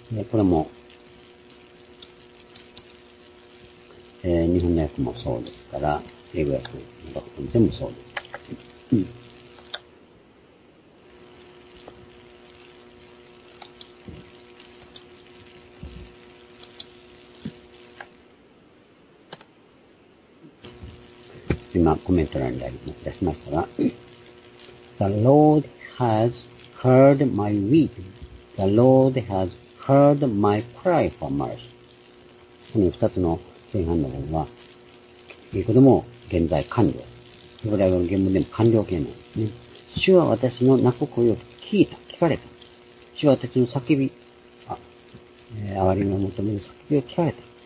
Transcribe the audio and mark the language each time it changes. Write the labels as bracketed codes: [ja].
[ja] これも、日本の訳もそうですから、英語訳のどこでもそうです。うん、今、コメント欄であります。出しましたが、 [en] The Lord has heard my weeping. The Lord has heard my cry for mercy. [ja] この二つの前半の方は、いくでも現在完了。ヘブライ語の原文でも完了形なんですね。主は私の泣く声を聞いた、聞かれた。主は私の叫び、哀れみを求める叫びを聞かれた。